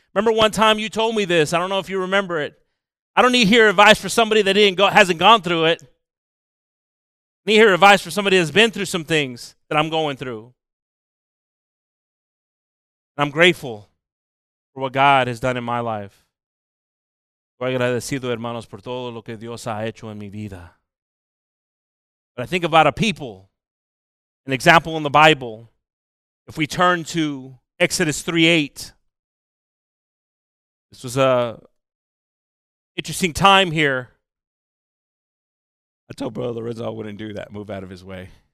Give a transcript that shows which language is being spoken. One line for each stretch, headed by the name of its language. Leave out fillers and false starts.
English: Remember one time you told me this. I don't know if you remember it. I don't need to hear advice for somebody that hasn't gone through it. I need to hear advice for somebody that's been through some things that I'm going through. And I'm grateful for what God has done in my life.
Spanish: Estoy agradecido, hermanos, por todo lo que Dios ha hecho en mi vida.
English: But I think about a people. An example in the Bible, if we turn to Exodus 3:8, this was a interesting time here. I told Brother Lorenzo I wouldn't do that, move out of his way.